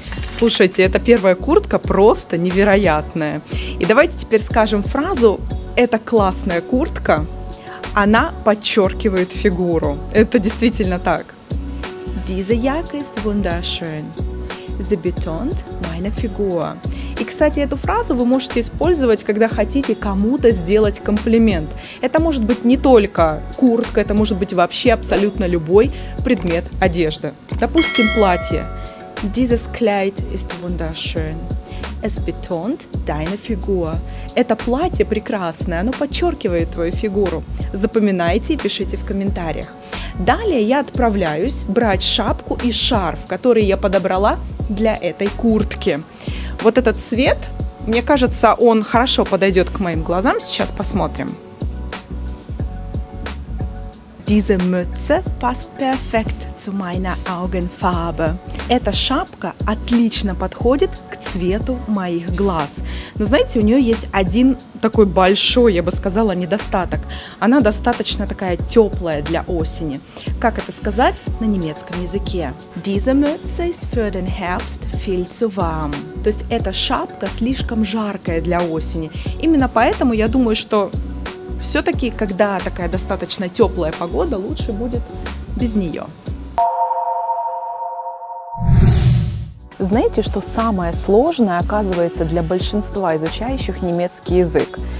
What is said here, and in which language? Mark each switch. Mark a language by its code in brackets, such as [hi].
[ru] Слушайте, эта первая куртка просто невероятная. И давайте теперь скажем фразу «это классная куртка». она подчеркивает фигуру. Это действительно так. [de] Diese Jacke ist wunderschön. Sie betont meine Figur. [ru] И, кстати, эту фразу вы можете использовать, когда хотите кому-то сделать комплимент. Это может быть не только куртка, это может быть вообще абсолютно любой предмет одежды. Допустим, платье. [de] Dieses Kleid ist wunderschön. Es betont deine Figur. [ru] Это платье прекрасное, оно подчеркивает твою фигуру. Запоминайте и пишите в комментариях. Далее я отправляюсь брать шапку и шарф, которые я подобрала для этой куртки. Вот этот цвет, мне кажется, он хорошо подойдет к моим глазам. Сейчас посмотрим. [de] Diese Mütze passt perfekt zu meiner Augenfarbe. [ru] Эта шапка отлично подходит к цвету моих глаз. Но знаете, у нее есть один такой большой, я бы сказала, недостаток. Она достаточно такая теплая для осени. Как это сказать на немецком языке? [de] Diese Mütze ist für den Herbst viel zu warm. [ru] То есть эта шапка слишком жаркая для осени. Именно поэтому я думаю, что все-таки, когда такая достаточно теплая погода, лучше будет без нее. Знаете, что самое сложное оказывается для большинства изучающих немецкий язык?